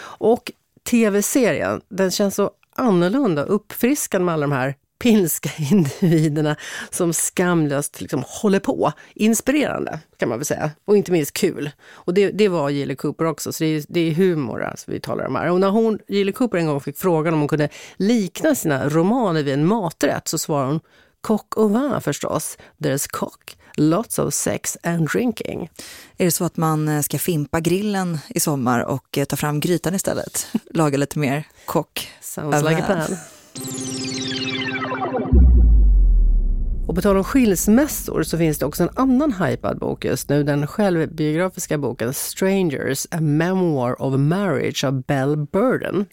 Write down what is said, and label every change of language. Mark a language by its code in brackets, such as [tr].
[sv] Och tv-serien, den känns så annorlunda, uppfriskad med alla de här pinska individerna som skamlöst liksom håller på. Inspirerande kan man väl säga. Och inte minst kul. Och det var Gilly Cooper också. Så det är humor alltså, vi talar om här. Och när hon, Gilly Cooper, en gång fick frågan om hon kunde likna sina romaner vid en maträtt, så svarade hon: "Cock au vin förstås. [en] There's cock, lots of sex and drinking." [sv] Är det så att man ska fimpa grillen i sommar och ta fram grytan istället? Laga lite mer cock. [en] Sounds like a plan. [sv] Och på tal om skilsmässor så finns det också en annan hypad bok just nu, den självbiografiska boken Strangers, A Memoir of Marriage av Belle Burden.